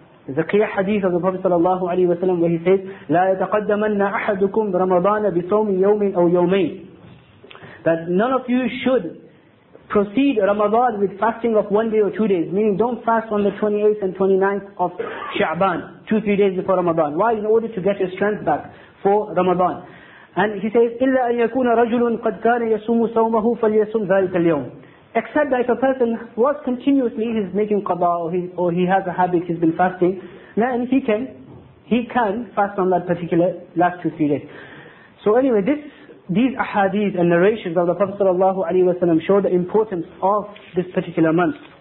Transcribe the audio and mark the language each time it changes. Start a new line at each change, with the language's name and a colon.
English: There's a clear hadith of the Prophet sallallahu alaihi wasallam where he says,
Arabic: لا يتقدمن أحدكم رمضان بصوم يوم أو يومين,
English: that none of you should proceed Ramadan with fasting of 1 day or 2 days, meaning don't fast on the 28th and 29th of Sha'ban, 2-3 days before Ramadan. Why? In order to get your strength back for Ramadan.
Arabic: And he says, إلا أن يكون رجل قد كان يصوم صومه فليصوم ذلك اليوم.
English: Except that if a person was continuously, he's making qada, or he has a habit, he's been fasting, then he can fast on that particular last 2-3 days. So anyway, these ahadith and narrations of the Prophet ﷺ show the importance of this particular month.